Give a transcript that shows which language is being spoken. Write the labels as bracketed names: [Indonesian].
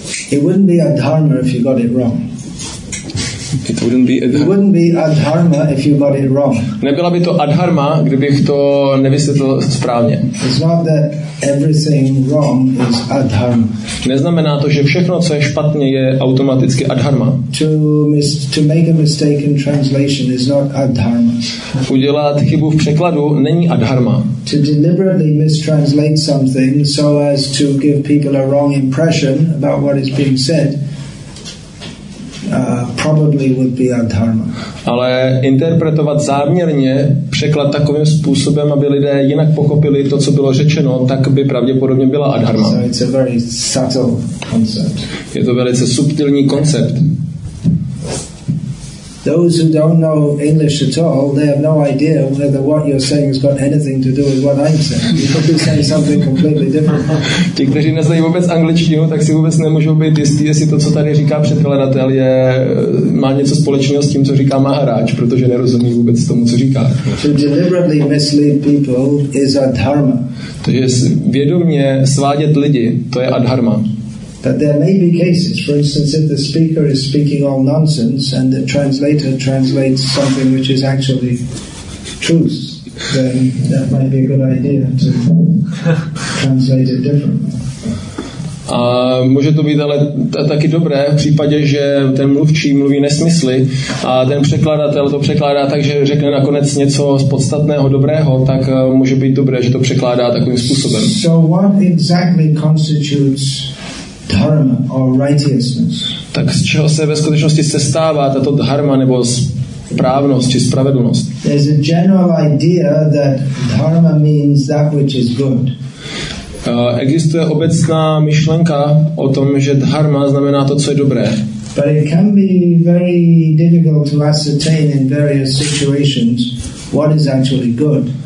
[English] It wouldn't be a dharma if you got it wrong. It wouldn't be a dharma if you got it wrong. [Czech] Nebyla by to adharma, kdybych to nevysvětlil správně. [English] It's not that everything wrong is adharma. [Czech] Neznamená to, že všechno, co je špatně, je automaticky adharma. [English] To make a mistake in translation is not adharma. [Czech] Udělat chybu v překladu není adharma. [English] To deliberately mistranslate something so as to give people a wrong impression about what is being said. Probably would be adharma. [Czech] Ale interpretovat záměrně překlad takovým způsobem, aby lidé jinak pochopili to, co bylo řečeno, tak by pravděpodobně byla adharma. [English] So it's a very subtle concept. [Czech] Je to velice subtilní koncept. [English] Those who don't know English at all, they have no idea whether what you're saying has got anything to do with what I'm saying. You could be saying something completely different. [Czech] Ti, kteří neznají vůbec angličtinu, tak si vůbec nemůžou být jistý, jestli to, co tady říká předkladatel, má něco společného s tím, co říká Maharaj, protože nerozumí vůbec tomu, co říká. [English] To deliberately mislead people is adharma. [Czech] To je vědomě svádět lidi, to je adharma. [English] But there may be cases, for instance, if the speaker is speaking all nonsense and the translator translates something which is actually truth, then that might be a good idea to translate it differently. [Czech] A může to být ale taky dobré v případě, že ten mluvčí mluví nesmysly a ten překladatel to překládá tak, že řekne nakonec něco z podstatného dobrého, tak může být dobré, že to překládá takovým způsobem. [English] So what exactly constitutes dharma or righteousness? [Czech] Tak z čeho se ve skutečnosti sestává tato dharma nebo správnost či spravedlnost? [English] There's a general idea that dharma means that which is good. [Czech] Existuje obecná myšlenka o tom, že dharma znamená to, co je dobré. [English] But it can be very difficult to ascertain in various situations what is actually good.